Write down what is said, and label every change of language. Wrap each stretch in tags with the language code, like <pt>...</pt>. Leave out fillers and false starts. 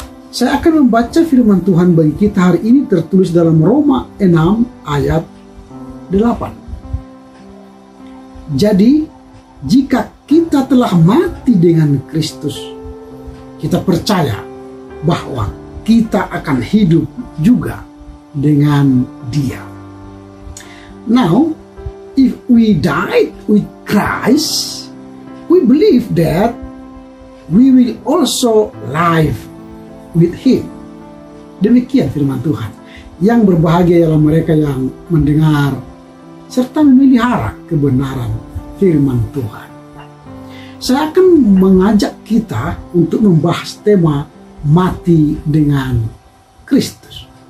<id>Saya akan membaca firman Tuhan bagi kita hari ini tertulis dalam Roma 6 ayat 8. Jadi, jika kita telah mati dengan Kristus, kita percaya bahwa kita akan hidup juga dengan Dia.</id> <en>Now, if we died with Christ, we believe that we will also live with Him.</en> <id>Demikian firman Tuhan. Yang berbahagia ialah mereka yang mendengar serta memelihara kebenaran firman Tuhan. Saya akan mengajak kita untuk membahas tema mati dengan Kristus.</id>